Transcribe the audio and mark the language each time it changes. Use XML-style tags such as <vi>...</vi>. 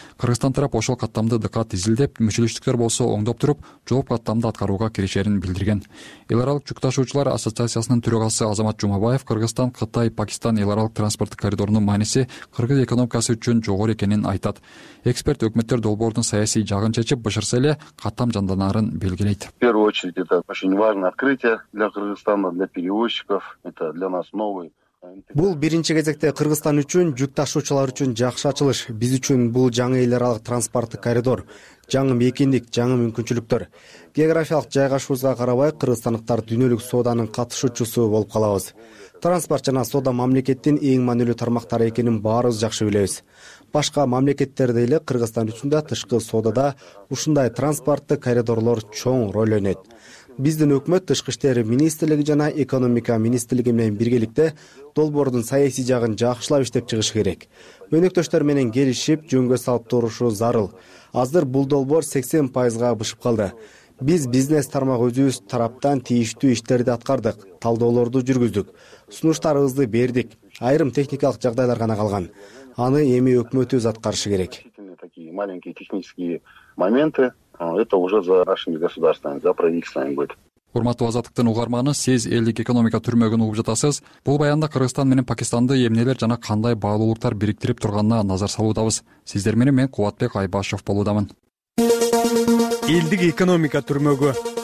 <ky>Кыргызстан тарап ошол каттамды дыкат изилдеп, мүчөлүштүктөр болсо оңдоп туруп, жооп каттамды аткарууга киришерин билдирген. Эл аралык жүк ташуучулар ассоциациясынын төрагасы Азамат Жумабаев Кыргызстан, Кытай, Пакистан эл аралык транспорттук коридорунун мааниси кыргыз экономикасы үчүн жогору экенин айтат. Эксперт өкмөттөр долбоордун саясий жагын чечип башырса эле каттам жанданарын белгилейт.</ky> <ru>В первую очередь это очень важное открытие для Кыргызстана, для перевозчиков. Это для нас новый.</ru> <ky>Бул биринчи кезекте Кыргызстан үчүн, жүк ташуучулар үчүн жакшы ачылыш. Биз үчүн бул жаңы эл аралык транспорттук коридор, жаңы мекендик, жаңы мүмкүнчүлүктөр. Географиялык жайгашуубузга карабай, кыргызстандыктар дүйнөлүк сооданын катышуучусу болуп калабыз. Транспорт жана соода мамлекеттин эң маанилүү тармактары экенин баарыбыз жакшы билебиз. Башка мамлекеттерде эле Кыргызстан үчүн да тышкы соодада ушундай транспорттук коридорлор чоң роль ойнойт. Биздин өкмөт тышкы иштер министрлиги жана экономика министрлиги менен биргеликте долбоордун саясий жагын жакшылап иштеп чыгышы керек. Өнөктөштөр менен келишип, жөнгө салып турушу зарыл. Азыр бул долбоор 80%га бышып калды. Биз бизнес тармак өзүбүз тараптан тийиштүү иштерди аткардык, талдоолорду жүргүздүк, сунуштарыбызды бердик. Айрым техникалык жагдайлар гана калган. Аны эми өкмөтүбүз аткарышы керек.</ky> <ru>Такие маленькие технические моменты. Это уже за нашими государствами, за правительствами будет.</ru> <ky>Урматтуу азаттыктын угарманы, сиз элдик экономика түрмөгүн угуп жатасыз. Бул баянда Кыргызстан менен Пакистанды эмнелер жана кандай баалуулуктар бириктирип турганына назар салуудабыз. Сиздер менен мен Кубатбек Айбашев болуудамын. Элдик экономика түрмөгү.</ky>